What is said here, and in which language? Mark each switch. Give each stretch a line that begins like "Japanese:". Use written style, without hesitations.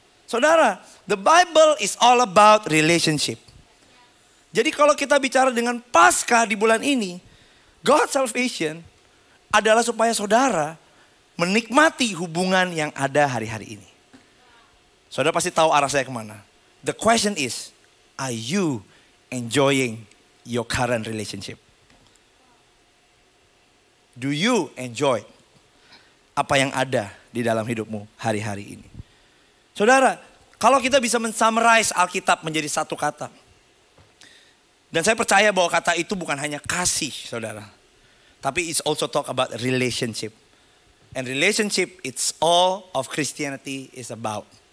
English: Saudara, the Bible is all about relationship.
Indonesian: Jadi kalau kita bicara dengan Paskah di bulan ini,
English: God's salvation
Indonesian: adalah supaya saudara menikmati hubungan yang ada hari-hari ini. Saudara pasti tahu arah saya kemana.
English: The question is, are you enjoying your current relationship? Do you enjoy
Indonesian: apa yang ada di dalam hidupmu hari-hari ini? Saudara, kalau kita bisa men-summarize Alkitab menjadi satu kata. Dan saya percaya bahwa kata itu bukan hanya kasih, saudara.
English: Tapi it's also talk about relationship. And relationship, it's all of Christianity is about.